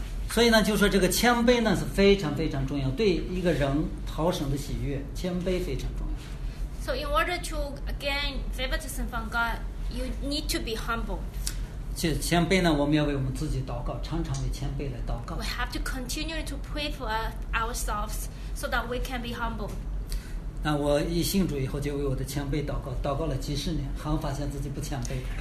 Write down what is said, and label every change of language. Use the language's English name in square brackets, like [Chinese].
[Chinese] 所以呢，就说这个谦卑呢是非常非常重要，对一个人讨神的喜悦，谦卑非常重要。 [English] So in order to gain favoritism from God, you need to be humble. [Chinese] 就谦卑呢，我们要为我们自己祷告，常常为谦卑来祷告。 [English] We have to continue to pray for ourselves so that we can be humble. [Chinese] 那我一信主以后，就为我的谦卑祷告，祷告了几十年，还发现自己不谦卑。